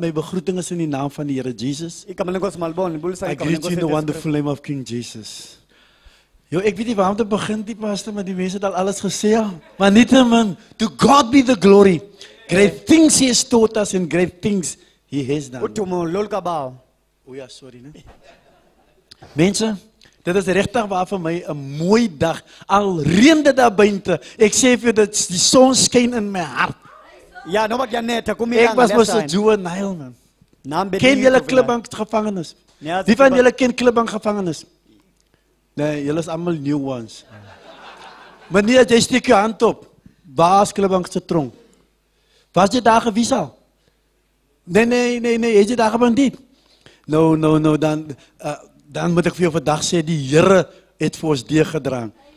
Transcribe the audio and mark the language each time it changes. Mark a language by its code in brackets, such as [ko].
[en] My begroeting is in the name of the Here Jesus. I greet you in the wonderful name of King Jesus. [af] Yo, ek weet nie waar om te begin, die pastor, maar die mense het al alles gesê. Maar niet te min, [en] to God be the glory. Great things He has taught us and great things He has done. [af] Mense, dit is regtig waar vir my, 'n mooi dag. Al reën dit daar buite. Ek sê vir jou, dat die son skyn in my hart. Ja, nou wat jy net, kom hier. Ek was mos 'n juvenile man. Ken julle Klipbank gevangenis? Wie van julle ken Klipbank gevangenis? Nee, julle is allemaal [en] new ones. [af] Meneer, jy steek jou hand op. Waar is Klipbank se tronk? Was jy daar gewees al? Nee, het jy daar gewees nie? No, dan moet ek vir jou vandag sê, die Here het vir ons deurgedrang.